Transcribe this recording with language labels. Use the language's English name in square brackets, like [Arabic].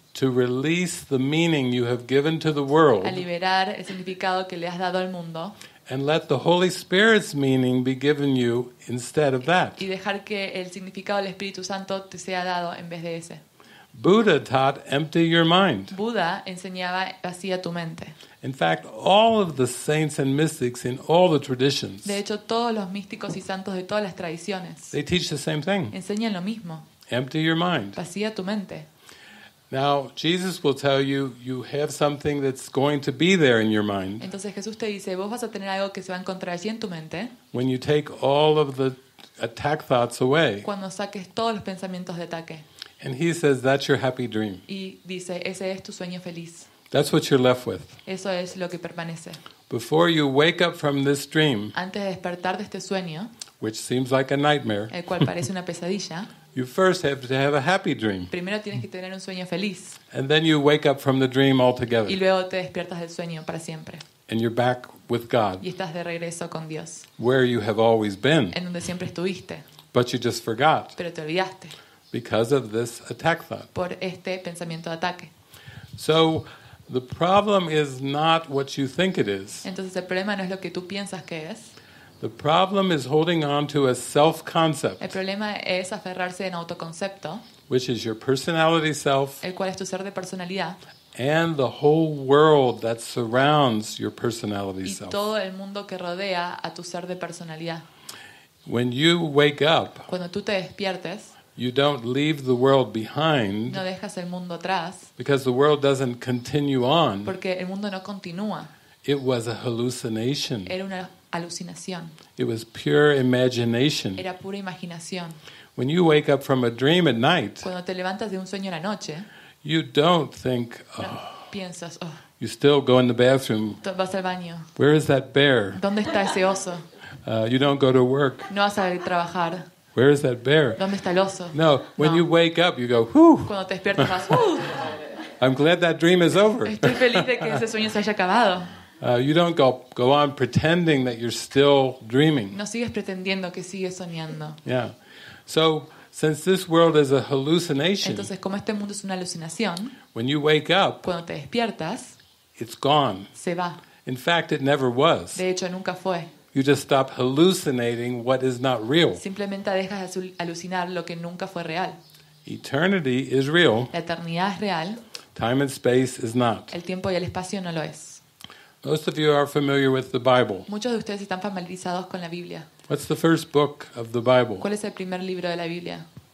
[English] To release the meaning you have given to the world. [Spanish] A liberar el significado que le has dado al mundo. [English] And let the Holy Spirit's meaning be given you instead of that. [Spanish] Y dejar que el significado del Espíritu Santo te sea dado en vez de ese. [English] Buddha taught empty your mind. [Spanish] Buda enseñaba vacía tu mente. [English] In fact, all of the saints and mystics in all the traditions. [Spanish] De hecho, todos los místicos y santos de todas las tradiciones. [English] They teach the same thing. [Spanish] Enseñan lo mismo. [English] Empty your mind. [Spanish] Vacía tu mente. [English] Now, Jesus will tell you you have something that's going to be there in your mind. [Spanish] Entonces Jesús te dice, vos vas a tener algo que se va a encontrar allí en tu mente. [English] When you take all of the attack thoughts away. [Spanish] Cuando saques todos los pensamientos de ataque. [English] And he says, that's your happy dream. [Spanish] Y dice, ese es tu sueño feliz. [English] That's what you're left with. [Spanish] Eso es lo que permanece. [English] Before you wake up from this dream, [Spanish] antes de despertar de este sueño, [English] which seems like a nightmare, [Spanish] el cual parece una pesadilla, [English] you first have to have a happy dream. [Spanish] Primero tienes que tener un sueño feliz. [English] And then you wake up from the dream altogether. [Spanish] Y luego te despiertas del sueño para siempre. [English] And you're back with God. [Spanish] Y estás de regreso con Dios. [English] Where you have always been. [Spanish] En donde siempre estuviste. [English] But you just forgot. [Spanish] Pero te olvidaste. [English] Because of this attack thought. [Spanish] Por este pensamiento de ataque. [English] So the problem is not what you think it is. [Spanish] Entonces el problema no es lo que tú piensas que es. [English] The problem is holding on to a self-concept. [Spanish] El problema es aferrarse en autoconcepto. [English] Which is your personality self. [Spanish] El cual es tu ser de personalidad. [English] And the whole world that surrounds your personality self. [Spanish] Y todo el mundo que rodea a tu ser de personalidad. [English] When you wake up. [Spanish] Cuando tú te despiertes. [English] You don't leave the world behind. [Spanish] No dejas el mundo atrás. [English] Because the world doesn't continue on. [Spanish] Porque el mundo no continúa. [English] It was a hallucination. [Spanish] Era una alucinación. [English] It was pure imagination. [Spanish] Era pura imaginación. [English] When you wake up from a dream at night. [Spanish] Cuando te levantas de un sueño en la noche. [English] You don't think. Oh, [Spanish] piensas. Oh, [English] you still go in the bathroom. [Spanish] Vas al baño. [English] Where is that bear? [Spanish] ¿Dónde está ese oso? [English] You don't go to work. [Spanish] No vas a trabajar. [English] Where is that bear? [Spanish] ¿Dónde está el oso? [English] No, when you wake up, you go, whew. [Spanish] Cuando te despiertas, vas, whew. [English] I'm glad that dream is over. [Spanish] Estoy feliz de que ese sueño se haya acabado. [English] You don't go on pretending that you're still dreaming. [Spanish] No sigues pretendiendo que sigues soñando. [English] Yeah. So, since this world is a hallucination, [Spanish] entonces, como este mundo es una alucinación, [English] when you wake up, [Spanish] cuando te despiertas, [English] it's gone. [Spanish] Se va. [English] In fact, it never was. [Spanish] De hecho, nunca fue. [English] You just stop hallucinating what is not real. [Spanish] Simplemente dejas de alucinar lo que nunca fue real. [English] Eternity is real. [Spanish] La eternidad es real. [English] Time and space is not. [Spanish] El tiempo y el espacio no lo es. [English] Most of you are familiar with the Bible. [Spanish] Muchos de ustedes están familiarizados con la Biblia. [English] What's the first book of the Bible? [Spanish] ¿Cuál es el primer libro de la Biblia?